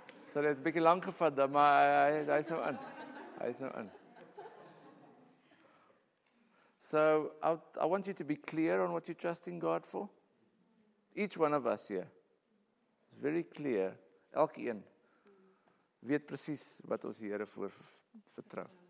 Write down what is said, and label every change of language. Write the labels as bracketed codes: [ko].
[af] So, hy het een bykie lang gevat, maar hy is nou aan. [en] So, I want you to be clear on what you're trusting God for. Each one of us here is very clear. [af] Elkeen weet precies wat ons Here voor vertrou.